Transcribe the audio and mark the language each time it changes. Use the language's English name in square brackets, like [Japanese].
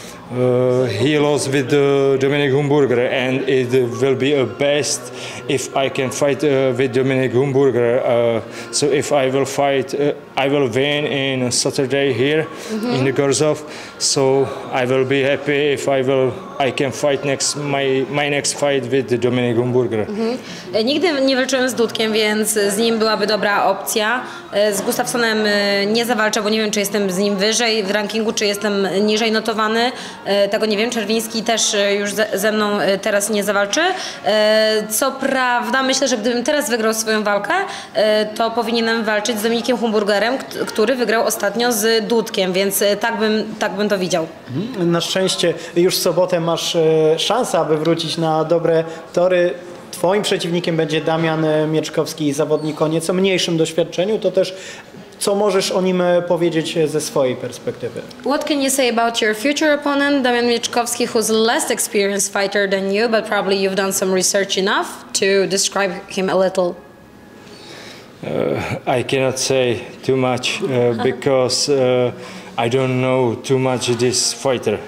[English] He lost with Dominik Humburger, and it will be a best if I can fight with Dominik Humburger. So if I will fight, I will win in Saturday here mm-hmm. in the Gorzów. So I will be happy if I can fight next my next fight with Dominik Humburger. Mm-hmm. [Polish] Nigdy nie walczyłem z Dudkiem, więc z nim byłaby dobra opcja. Z Gustafsonem nie zawalczę, bo nie wiem, czy jestem z nim wyżej w rankingu, czy jestem niżej notowany. Tego nie wiem, Czerwiński też już ze mną teraz nie zawalczy. Co prawda, myślę, że gdybym teraz wygrał swoją walkę, to powinienem walczyć z Dominikiem Humburgerem, który wygrał ostatnio z Dudkiem, więc tak bym to widział. Na szczęście już w sobotę masz szansę, aby wrócić na dobre tory. Twoim przeciwnikiem będzie Damian Mieczkowski, zawodnik o nieco mniejszym doświadczeniu, to też... Co możesz o nim powiedzieć ze swojej perspektywy? [English] What can you say about your future opponent, Damian Mieczkowski, who's a less experienced fighter than you, but probably you've done some research enough to describe him a little? I cannot say too much because I don't know too much this fighter.